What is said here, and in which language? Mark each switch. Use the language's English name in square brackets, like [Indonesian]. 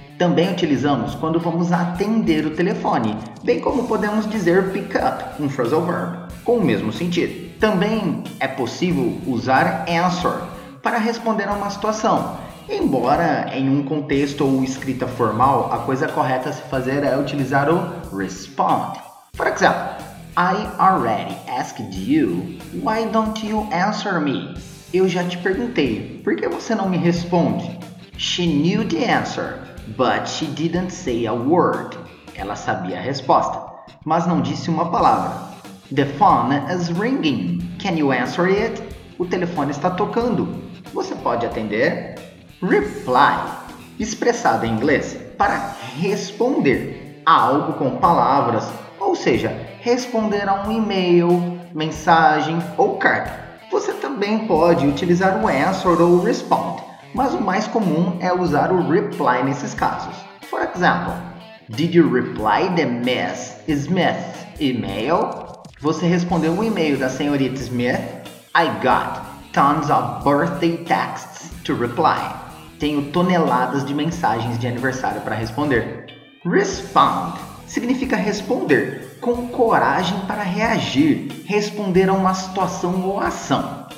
[Portuguese] Também utilizamos quando vamos atender o telefone, bem como podemos dizer pick up, um phrasal verb, com o mesmo sentido. Também é possível usar answer para responder a uma situação. Embora em um contexto ou escrita formal, a coisa correta a se fazer é utilizar o respond. Por exemplo, [English] I already asked you, why don't you answer me? [Portuguese] Eu já te perguntei, por que você não me responde? [English] She knew the answer, but she didn't say a word. [Portuguese] Ela sabia a resposta, mas não disse uma palavra. [English] The phone is ringing. Can you answer it? [Portuguese] O telefone está tocando. Você pode atender? Reply. Expressado em inglês para responder a algo com palavras, ou seja, responder a um e-mail, mensagem ou carta. Você também pode utilizar o answer ou o respond, mas o mais comum é usar o reply nesses casos. [English] For example, did you reply the Miss Smith's email? [Portuguese] Você respondeu o e-mail da senhorita Smith? [English] I got tons of birthday texts to reply. [Portuguese] Tenho toneladas de mensagens de aniversário para responder. Respond significa responder com coragem para reagir, responder a uma situação ou ação.